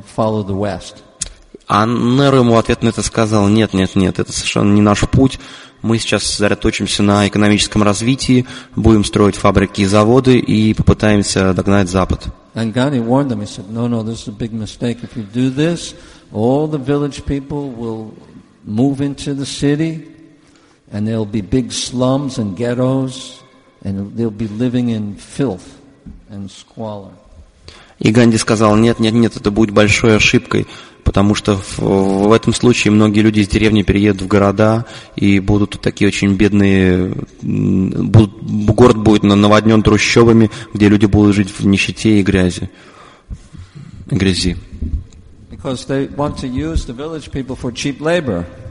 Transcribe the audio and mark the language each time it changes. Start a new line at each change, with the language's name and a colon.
Russian: Неру ему в ответ на это сказал: нет, это совершенно не наш путь. Мы сейчас сосредоточимся на экономическом развитии, будем строить фабрики и заводы и попытаемся догнать Запад.
English: And Gandhi warned them. He said, "No, this is a big mistake. If you do this, all the village people will move into the city, and there'll be big slums and ghettos, and they'll be living in filth and squalor."
Russian: И Ганди сказал: "Нет, это будет большой ошибкой, потому что в этом случае многие люди из деревни переедут в города и будут такие очень бедные. Город будет наводнен трущобами, где люди будут жить в нищете и грязи.
English: Because they want to use the village people for cheap labor.